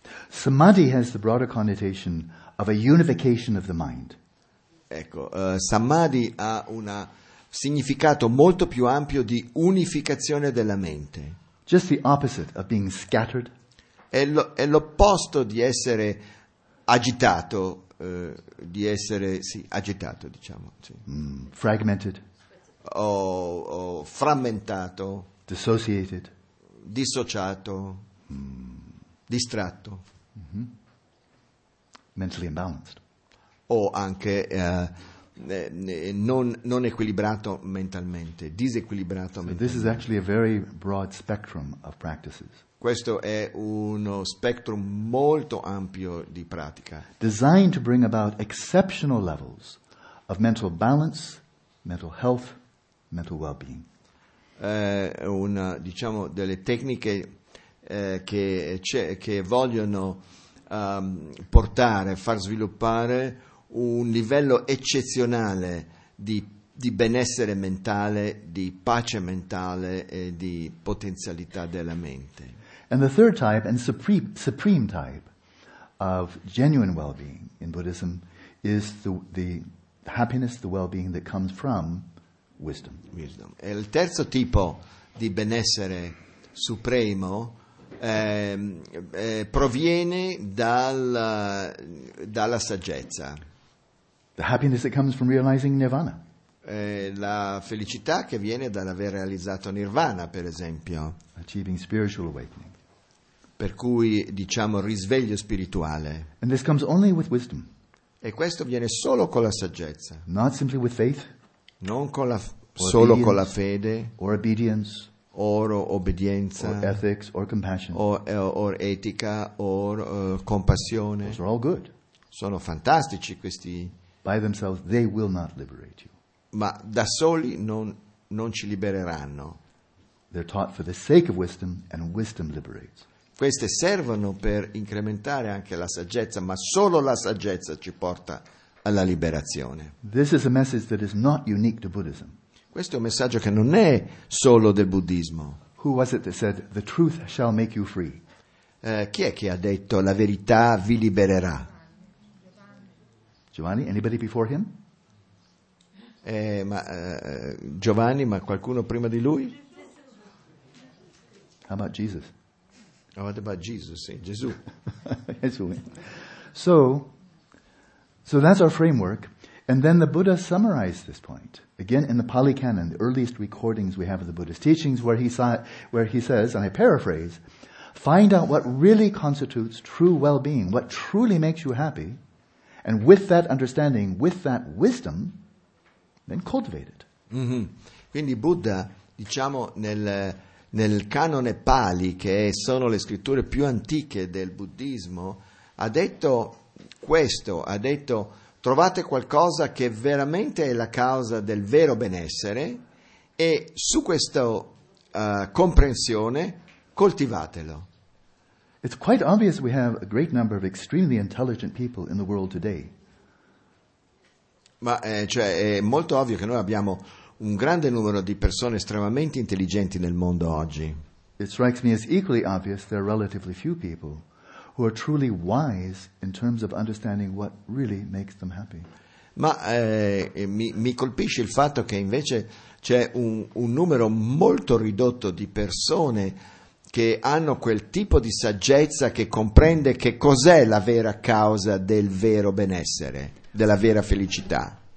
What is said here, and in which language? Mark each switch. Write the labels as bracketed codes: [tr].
[en] Samadhi has the broader connotation of a unification of the mind. [it] Ecco, Samadhi ha un significato molto più ampio di unificazione della mente. [en] Just the opposite of being scattered. [it] È l'opposto di essere agitato, agitato, diciamo. Sì. [en] Fragmented. [it] O frammentato. [en] Dissociated. [it] Dissociato. Distratto. [en] Mm-hmm. Mentally imbalanced. [it] O anche non equilibrato mentalmente, disequilibrato mentalmente. [en] So this is actually a very broad spectrum of practices. [it] Questo è uno spectrum molto ampio di pratica. [en] Designed to bring about exceptional levels of mental balance, mental health, mental well-being. [it] Una, diciamo, delle tecniche che vogliono far sviluppare un livello eccezionale di benessere mentale, di pace mentale e di potenzialità della mente. [en] And the third type and supreme type of genuine well-being in Buddhism is the happiness, the well-being that comes from wisdom. Wisdom. [it] E il terzo tipo di benessere supremo proviene dalla saggezza. [en] The happiness that comes from realizing nirvana. [it] La felicità che viene dall'aver realizzato nirvana, per esempio. [en] Achieving spiritual awakening. [it] per cui diciamo risveglio spirituale. [en] And this comes only with wisdom. [it] E questo viene solo con la saggezza. [en] Not simply with faith. [it] Non con la solo con la fede. [en] Or obedience. [it] Oro obbedienza. [en] Or ethics or compassion. [it] Or etica or compassione. [en] Those are all good. [it] Sono fantastici questi. [en] By themselves they will not liberate you. [it] Ma da soli non ci libereranno. [en] They're taught for the sake of wisdom, and wisdom liberates. [it] Queste servono per incrementare anche la saggezza, ma solo la saggezza ci porta alla liberazione. [en] This is a message that is not unique to Buddhism. [it] Questo è un messaggio che non è solo del buddismo. [en] Who was it that said the truth shall make you free? [it] Chi è che ha detto la verità vi libererà? [en] Giovanni, anybody before him? [it] Giovanni, ma qualcuno prima di lui? [en] How about Jesus? Oh, what about Jesus? [it] Sì, Gesù. [en] Gesù. So that's our framework. And then the Buddha summarized this point, again in the Pali Canon, the earliest recordings we have of the Buddha's teachings, where he says, and I paraphrase, find out what really constitutes true well-being, what truly makes you happy, and with that understanding, with that wisdom, then cultivate it. Mm-hmm. [it] Quindi Buddha, diciamo, nel canone Pali, che sono le scritture più antiche del buddismo, ha detto questo, ha detto trovate qualcosa che veramente è la causa del vero benessere e su questa comprensione coltivatelo. [en] It's quite obvious we have a great number of extremely intelligent people in the world today. [it] Ma è molto ovvio che noi abbiamo un grande numero di persone estremamente intelligenti nel mondo oggi. [en] It strikes me as equally obvious there are relatively few people who are truly wise in terms of understanding what really makes them happy. [it] Ma mi colpisce il fatto che invece c'è un numero molto ridotto di persone che hanno quel tipo di saggezza che comprende che cos'è la vera causa del vero benessere, della vera felicità.